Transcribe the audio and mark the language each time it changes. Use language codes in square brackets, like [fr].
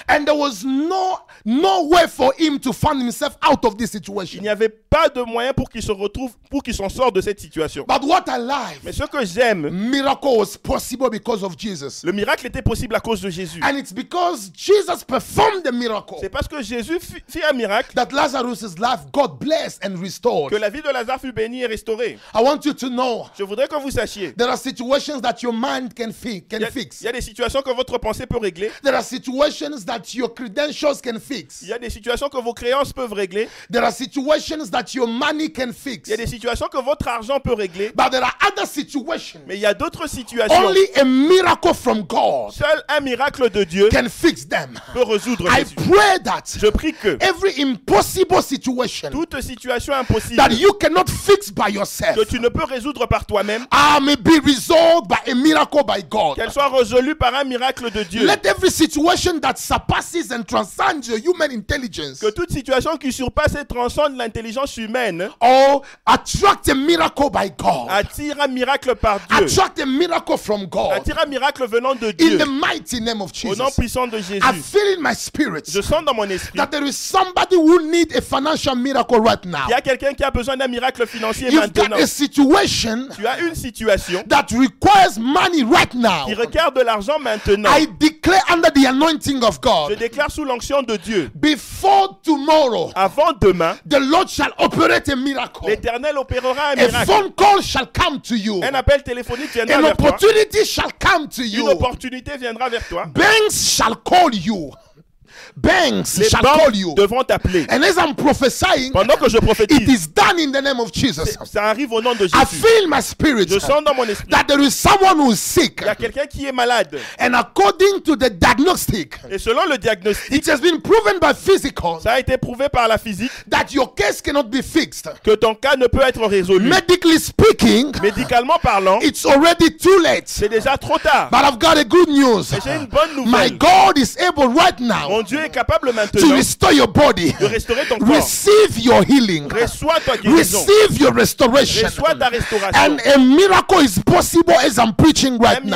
[en] And there was no way for him to find himself out of this situation. [fr] Il n'y avait pas de moyen pour qu'il se retrouve, pour qu'il s'en sorte de cette situation. [en] But what I like. [fr] Mais ce que j'aime. [en] Miracle was possible because of Jesus. [fr] Le miracle était possible à cause de Jésus. [en] And it's because Jesus performed the miracle. [fr] C'est parce que Jésus fit un miracle. [en] That Lazarus's life got blessed and restored. [fr] Que la vie de Lazare fut bénie et restaurée. [en] I want you to know. [fr] Je voudrais que vous sachiez. [en] There are situations that your mind can fix. [fr] Il y a des situations que votre pensée peut régler. [en] There are situations that your credentials can fix. [fr] Il y a des situations que vos créances peuvent régler. [en] There are situations that your money can fix. [fr] Il y a des situations que votre argent peut régler. [en] But there are other situations. [fr] Mais il y a d'autres situations. [en] Only a miracle from God. [fr] Seul un miracle de Dieu [en] can fix them. [fr] Peut résoudre. [en] I pray that. [fr] Je prie que. [en] Every impossible situation. [fr] Toute situation impossible. [en] That you cannot fix by yourself. [fr] Que tu ne peux résoudre par toi-même. [en] Ah, may be resolved by a miracle. By God. [fr] Qu'elle soit résolue par un miracle de Dieu. [en] Let every situation that surpasses and transcends your human intelligence. [fr] Que toute situation qui surpasse et transcende l'intelligence humaine. [en] Or attract a miracle by God. [fr] Attire un miracle par Dieu. [en] Attract a miracle from God. [fr] Attire un miracle venant de Dieu. [en] In the mighty name of Jesus. [fr] Au nom puissant de Jésus. [en] I feel in my spirit. [fr] Je sens dans mon esprit. [en] That there is somebody who needs a financial miracle right now. [fr] Il y a quelqu'un qui a besoin d'un miracle financier [en] You've [fr] maintenant. [en] You've got a situation. [fr] Tu as une situation. [en] That requires money right now. [fr] Qui requiert de l'argent maintenant. [en] I declare under the anointing of God. [fr] Je déclare sous l'onction de Dieu. [en] Before tomorrow. [fr] Avant demain. [en] The Lord shall operate a miracle. [fr] L'Éternel opérera un miracle. [en] A phone call shall come to you. [fr] Un appel téléphonique viendra [en] an [fr] vers toi. [en] An opportunity shall come to you. [fr] Une opportunité viendra vers toi. [en] Banks shall call you. Banks les shall call you. [fr] Devront t'appeler. [en] And as I'm prophesying, [fr] pendant que je prophétise, [en] it is done in the name of Jesus. [fr] Ça arrive au nom de Jésus. [en] I feel my spirit. [fr] Je sens dans mon esprit [en] that there is someone who is sick. [fr] Il y a quelqu'un qui est malade. [en] And according to the diagnostic, [fr] et selon le diagnostic, [en] it has been proven by physical. [fr] Ça a été prouvé par la physique [en] that your case cannot be fixed. [fr] Que ton cas ne peut être résolu. [en] Medically speaking, [fr] médicalement parlant, [en] it's already too late. [fr] C'est déjà trop tard. [en] But I've got a good news. [fr] Mais j'ai une bonne nouvelle. [en] My God is able right now. [fr] Mon Dieu est capable maintenant [en] to restore your body. [fr] De restaurer ton corps. [en] Receive your healing. [fr] Reçois ta guérison. [en] Receive your restoration. [fr] Reçois ta restauration. [en] And a miracle is possible as I'm preaching right now.